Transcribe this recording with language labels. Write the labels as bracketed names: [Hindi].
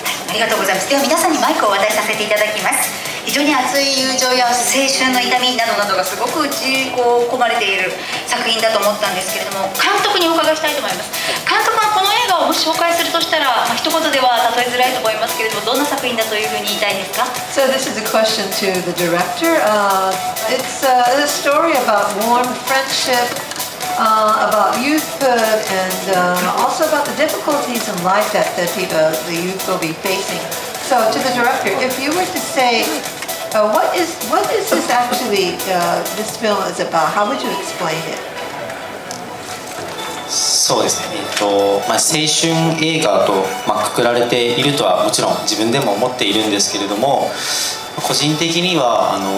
[Japanese] ありがとうございます。では皆さんにマイクを渡させていただきます。非常に熱い友情や青春の痛みなどなどがすごく打ち込まれている作品だと思ったんですけれども、監督にお伺いしたいと思います。監督はこの映画をもし紹介するとしたら、まあ、一言では例えづらいと思いますけれども、どんな作品だというふうに言いたいですか？ [English] So this is a question to the director. It's a story about warm friendship, about youthhood and also about the difficulties in life that the youth will be facing. So, to the director, if you were to say, what is this actually, this film is about, how would you explain it? [Japanese] そうですね、まあ、青春映画と、まあ、くくられているとはもちろん自分でも思っているんですけれども、個人的には、